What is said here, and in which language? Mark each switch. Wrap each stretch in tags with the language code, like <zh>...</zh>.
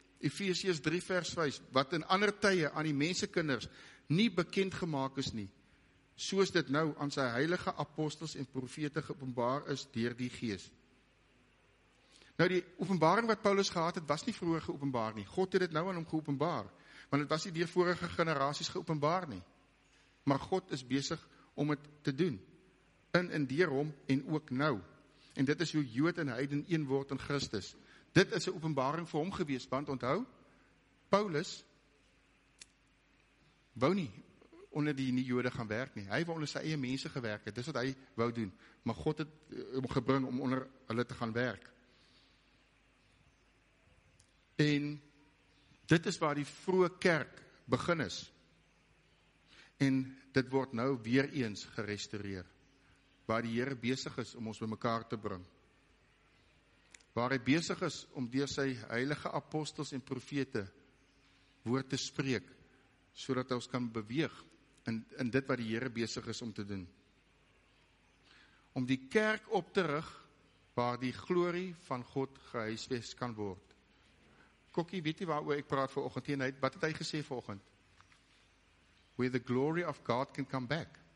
<af>Efesiërs 3 vers 5, wat in ander tye aan die mensekinders nie bekend gemaak is nie, soos dit nou aan sy heilige apostels en profete geopenbaar is deur die Gees. Nou die openbaring wat Paulus gehad het, was nie vroeër geopenbaar nie. God het dit nou aan hom geopenbaar, want het was nie deur vorige generaties geopenbaar nie. Maar God is besig om het te doen, in deur hom en ook nou. En dit is hoe Jood en Heiden een word in Christus. Dit is 'n openbaring vir hom gewees, want onthou, Paulus wou nie onder die nie-Jode gaan werk nie. Hy wou onder sy eie mense gewerk het, dis wat hy wou doen. Maar God het hom gebring om onder hulle te gaan werk. En dit is waar die vroeë kerk begin is. En dit word nou weer eens gerestoreer. Waar die Here besig is om ons by mekaar te bring. Waar hy besig is om deur sy heilige apostels en profete woord te spreek, sodat ons kan beweeg in dit wat die Here besig is om te doen. Om die kerk op te rig waar die glorie van God gehuisves kan word. Kokkie, weet jy waaroor ek praat vanoggend? Wat het hy gesê vanoggend?</af> <en>Where the glory of God can come back.</en>